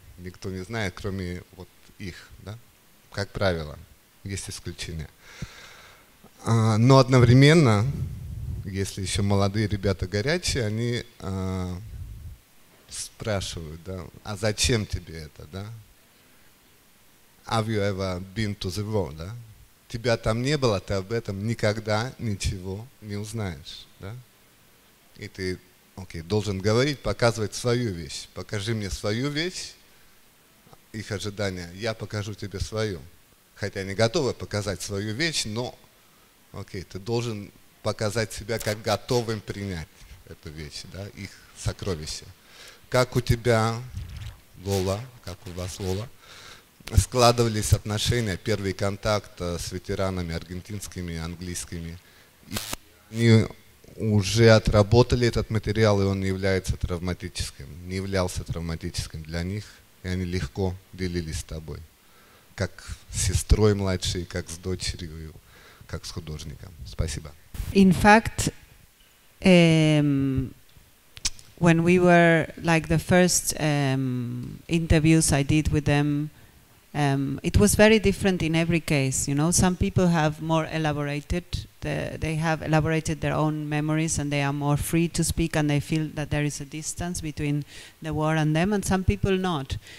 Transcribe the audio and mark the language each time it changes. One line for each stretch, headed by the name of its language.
Russian: Никто не знает, кроме вот их, да? Как правило. Есть исключения. Но одновременно, если еще молодые ребята горячие, они спрашивают, да, а зачем тебе это, да?
English: Have you ever been to the war, да?
Russian: Тебя там не было, ты об этом никогда ничего не узнаешь, да? И ты, окей, должен говорить, показывать свою вещь. Покажи мне свою вещь, их ожидания, я покажу тебе свою. Хотя они готовы показать свою вещь, но окей, ты должен показать себя как готовым принять эту вещь, да, их сокровище. Как у тебя, Лола, как у вас, Лола, складывались отношения, первый контакт с ветеранами аргентинскими, английскими? И они уже отработали этот материал, и он является травматическим, не являлся травматическим для них, и они легко делились с тобой. Как с сестрой младшей, как с дочерью, как с художником. Спасибо.
English: In fact, when we were like the first interviews I did with them, it was very different in every case. You know, some people have more elaborated, they have elaborated their own memories and they are more free to speak and they feel that there is a distance between the war and them, and some people not.